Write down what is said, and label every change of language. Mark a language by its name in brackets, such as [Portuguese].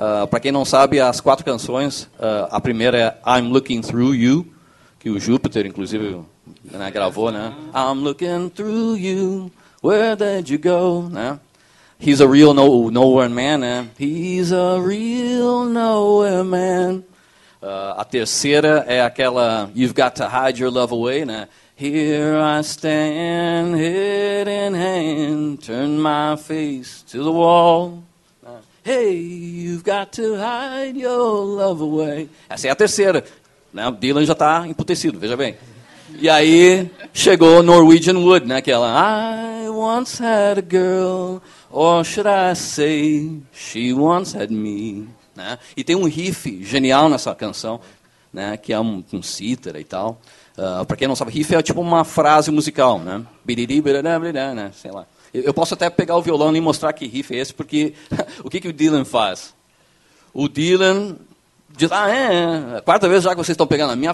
[Portuguese] Para quem não sabe, as quatro canções, a primeira é I'm Looking Through You, que o Júpiter, inclusive, né, gravou. [English] Né? I'm looking through you. Where did you go? Né? He's a real nowhere man. Né? He's a real nowhere man. [Portuguese] A terceira é aquela You've Got to Hide Your Love Away. Né? [English] Here I stand, head in hand, turn my face to the wall. Hey, you've got to hide your love away. [Portuguese] Essa é a terceira. Né? O Dylan já está emputecido, veja bem. E aí chegou Norwegian Wood, né? Aquela [English] I once had a girl, or should I say she once had me, né? [Portuguese] E tem um riff genial nessa canção, né? Que é um cítara e tal. Para quem não sabe, riff é tipo uma frase musical, né? Biriri, biriri, biriri, né? Sei lá. Eu posso até pegar o violão e mostrar que riff é esse, porque o que o Dylan faz? O Dylan diz, ah, é, a quarta vez já que vocês estão pegando a minha...